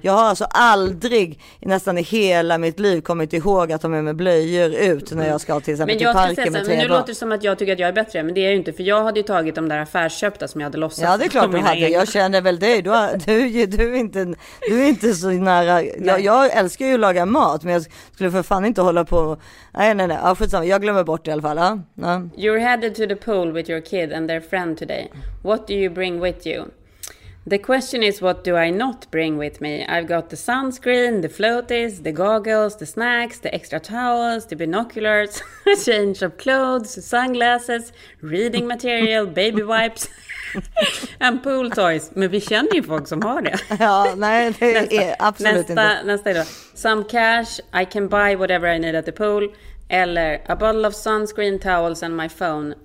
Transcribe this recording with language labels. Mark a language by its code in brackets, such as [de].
[sv] Jag har alltså aldrig, nästan i hela mitt liv, kommit ihåg att de är med blöjor ut när jag ska till exempel till parken med 3 barn. Men nu låter det som att jag tycker att jag är bättre, men det är ju inte. För jag hade ju tagit de där affärsköpta som jag hade lossat. Ja, det är klart du hade. Jag känner väl dig. Du är inte så nära. Jag älskar ju att laga mat, men jag skulle för fan inte hålla på. Nej. Jag glömmer bort det i alla fall. [en] You're headed to the pool with your kid and their friend today. What do you bring with you? The question is, what do I not bring with me? I've got the sunscreen, the floaties, the goggles, the snacks, the extra towels, the binoculars, a change of clothes, sunglasses, reading material, baby wipes and pool toys. [sv] Men vi känner ju folk som har det. Ja, nej, det är absolut inte. Nästa då. [en] Some cash, I can buy whatever I need at the pool. Eller a bottle of sunscreen, towels and my phone.